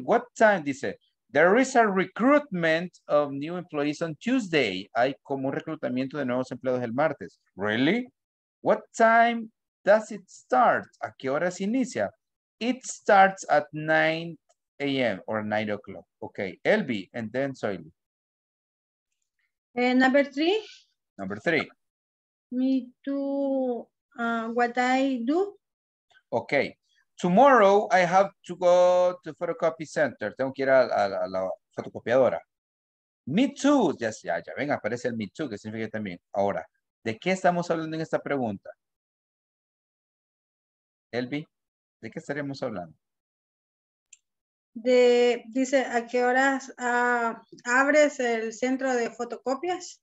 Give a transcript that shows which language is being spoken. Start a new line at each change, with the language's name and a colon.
English: What time, dice, there is a recruitment of new employees on Tuesday.
Spanish: Hay como un reclutamiento de nuevos empleados el martes.
English: Really? What time does it start?
Spanish: ¿A qué hora se inicia?
English: It starts at 9 a.m. or 9 o'clock. Okay, Elvi, and then Soyli. Number three. Number three. Me too. what I do. Okay. Tomorrow I have to go to the photocopy center.
Spanish: Tengo que ir a la fotocopiadora.
English: Me too.
Spanish: Ya, venga, aparece el me too, que significa también. Ahora, ¿de qué estamos hablando en esta pregunta? Elvi, ¿de qué estaremos hablando? De, dice, ¿a qué horas abres el centro de fotocopias?